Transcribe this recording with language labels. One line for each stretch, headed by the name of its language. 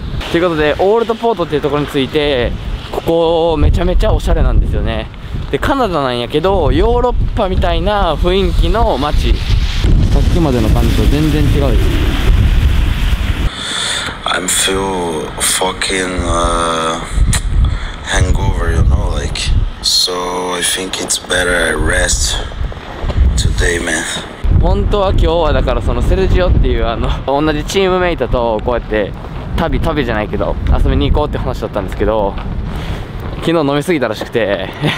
Japanese: ということで、オールドポートっていうところに着いて、ここめちゃめちゃおしゃれなんですよね。でカナダなんやけど、ヨーロッパみたいな雰囲気の街。さっきまでの感じと全然違うです。
English: I'm feel fucking hangover, you know, like, so I think it's better I rest today, man.
Japanese: 本当は今日はだから、そのセルジオっていうあの同じチームメイトとこうやって旅じゃないけど遊びに行こうって話だったんですけど、昨日飲みすぎたらしくて。